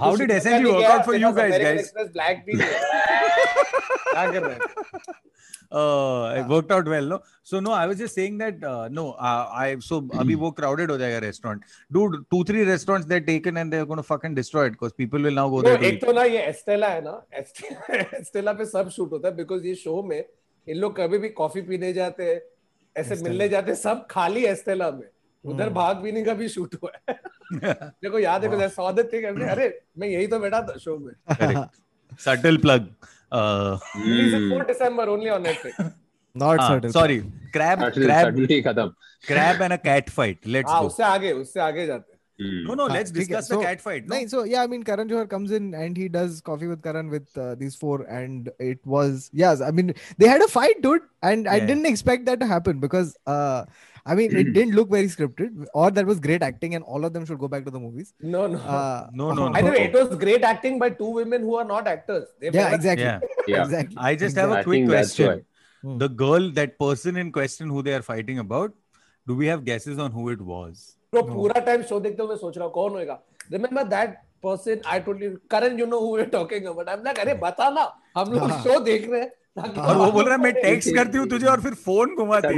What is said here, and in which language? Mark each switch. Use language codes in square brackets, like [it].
[en] How did SNG work out for you guys? Black beer. [hi] क्या कर रहे [en] हैं? It worked out well, no. So no, I was just saying that [hi] अभी वो crowded हो जाएगा [en] restaurant. Dude, 2-3 restaurants they're taken and they're gonna fucking destroy it because people will now go there. [hi] एक तो ना ये Estella है ना. Estella पे सब shoot होता है because ये show में इन लोग कभी भी coffee पीने जाते हैं, ऐसे मिलने जाते, सब खाली Estella में. उधर भाग पीने का भी shoot हुआ है. देखो याद है कुछ ऐसा आदत थी करने. अरे मैं यही तो बैठा था show में. [en] Subtle plug. December only on Netflix. Not subtle. Sorry. Crab. Crab and a cat fight. Let's go. [hi] उससे आगे जाते. [en] No, let's discuss the cat fight. नहीं, so yeah, I mean Karan Johar comes in and he does coffee with Karan with these four and it was I mean they had a fight, dude, and I didn't expect that to happen because I mean it didn't look very scripted or that was great acting and all of them should go back to the movies. No. Either it was great acting by two women who are not actors. Exactly. I just have a quick question. The girl, that person in question who they are fighting about, do we have guesses on who it was? [hi] Bro, पूरा time show देखते हुए सोच रहा हूँ कौन होएगा. [en] Remember that person, I told you, Karan, you know who we're talking about. I'm like, [hi] अरे बता ना, हम लोग शो देख रहे हैं. और वो बोल रहा है, मैं टेक्स्ट करती हूँ तुझे और फिर फोन घुमाती